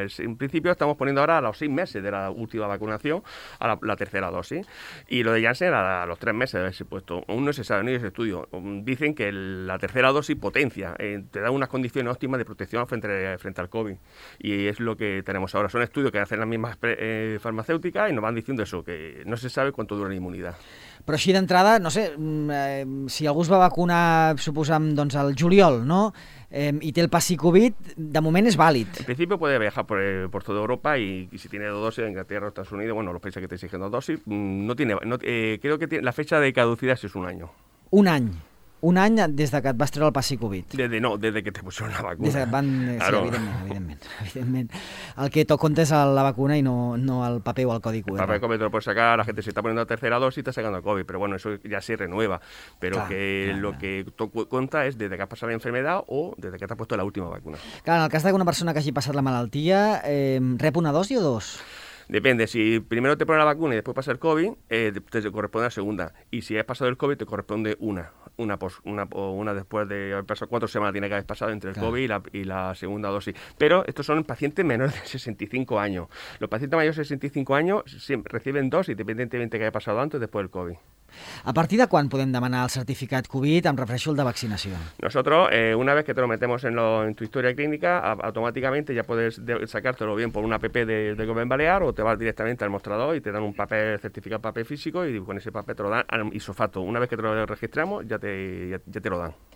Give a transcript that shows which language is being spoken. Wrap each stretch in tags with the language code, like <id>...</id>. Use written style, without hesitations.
<es>En principio estamos poniendo ahora a los 6 meses de la última vacunación, a la tercera dosis, y lo de Janssen era a los 3 meses de haberse puesto. Aún no se sabe, no hay ese estudio. Dicen que la tercera dosis potencia, te da unas condiciones óptimas de protección frente al COVID, y es lo que tenemos ahora. Son estudios que hacen las mismas farmacéuticas, eficaz y nos van diciendo eso, que no se sabe cuánto dura la immunidad.</es> <ca>Però així d'entrada, no sé, si algú es va vacunar, suposam, doncs el juliol, no? I té el passi Covid, de moment és vàlid.</ca> <es>En principi puede viajar por toda Europa y si tiene dos dosis en Inglaterra o Estados Unidos, bueno, los países que te exigen dos dosis, no tiene, no, creo que tiene, la fecha de caducidad es un año.</es> <ca>Un any. Un any des de que et vas treure el passi Covid. Des de que</ca> <es>te pusieron la vacuna.</es> <ca>Des de que van...</ca> <es>Claro.</es> <ca>Sí, evidentment. El que toca és la vacuna i no el paper o el codi QR. El paper</ca> <es>COVID te lo puedes sacar, la gente se está poniendo la tercera dosis y está sacando el COVID, pero bueno, eso ya se renueva. Pero</es> <ca>clar, que clar, lo clar. Que toca conta és des de que has passat</ca> <es>la enfermedad</es> <ca>o des de que t'has</ca> <es>puesto la última vacuna.</es> <ca>Clar, en el cas d'una persona que hagi passat la malaltia, rep una dosi o dos?</ca> <es>Depende, si primero te ponen la vacuna y después pasa el COVID, te corresponde la segunda. Y si has pasado el COVID, te corresponde una después de haber pasado 4 semanas, tiene que haber pasado entre el claro. COVID y la segunda dosis. Pero estos son pacientes menores de 65 años. Los pacientes mayores de 65 años reciben dos, independientemente de que haya pasado antes o después del COVID.</es> <ca>¿A partir de quan podem demanar el certificat Covid amb refresco de vacunació?</ca> <es>Nosotros, una vez que te lo metemos en tu historia clínica, automáticamente ya puedes sacártelo bien por una app de Govern Balear o te vas directamente al mostrador y te dan un papel certificado, papel físico, y con ese papel te lo dan al ISOFACTO. Una vez que te lo registramos, ya te lo dan.</es>